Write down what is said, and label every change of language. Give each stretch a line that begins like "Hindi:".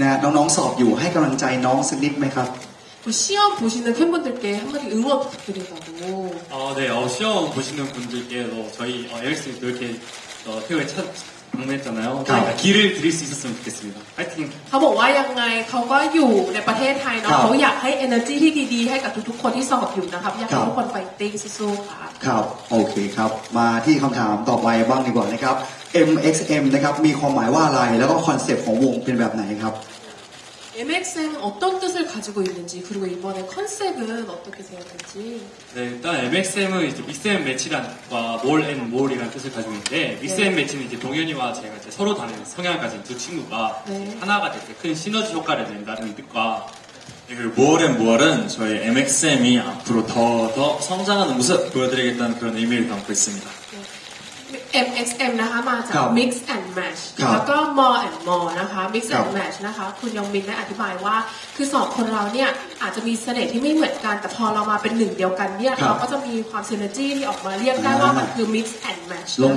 Thai: เขาบอกว่าคืออยากให้พี่คิวบอกนะคะก็คือมีบางท่านที่ดูผ่านหน้าจออยู่เนาะเขาบอกว่าเดี๋ยวงั้นเขาจะขยันทำงานแล้วเพื่อนคนนะคะเขาจะหาโอกาสมาไทยบ่อยๆแล้วกันเนาะแล้วลองคุณจะรักประเทศไทยเพราะว่าประเทศไทยรักคุณนะน้องๆสอบอยู่ให้กำลังใจน้องสักนิดไหมครับ
Korean: 시험 보시는 분들께도 저희 열심히 이렇게 태국에 방문했잖아요. 그러니까 기를 드릴 수 있었으면 좋겠습니다.
Thai: 화이팅เขาบอกว่ายังไงเขาก็อยู่ในประเทศไทยเนาะเขาอยากให้เอเนอร์จีที่ดีให้กับทุกๆคนที่สอบอยู่นะครับอยากให้ทุกคนไปเต็มสู้ครับครับโอเคครับมาที่คำถามต่อไปบ้างดีกว่านะครับ MXM นะครับมีความหมายว่าอะไรแล้วก็คอนเซ็ปต์ของวงเป็นแบบไหนครับ
Korean: MXM 어떤 뜻을 가지고 있는지 그리고 이번에 컨셉은 어떻게 생각하는지. 네, 일단 MXM은 이제 믹스앤 매치란 과 몰 앤 몰이란 뜻을 가지고 있는데 믹스앤 네. 매치는 이제 동현이와 제가 이제 서로 다른 성향을 가진 두 친구가 네. 하나가 되게 큰 시너지 효과를 낸다는 뜻과 그리고 몰 앤 몰은 저희 MXM이 앞으로 더 성장하는 모습 보여드리겠다는 그런 의미를 담고 있습니다. 네.
Thai: MXM นะคะมาจาก Mix and Match แล้วก็ More and More นะคะ Mix and Match นะคะคุณยองมินได้อธิบายว่าคือสองคนเราเนี่ยอาจจะมีเสน่ห์ที่ไม่เหมือนกันแต่พอเรามาเป็นหนึ่งเดียวกันเนี่ยเราก็จะมีความซินเนอร์จี้ที่ออกมาเรียกได้ว่ามันคือ Mix and Match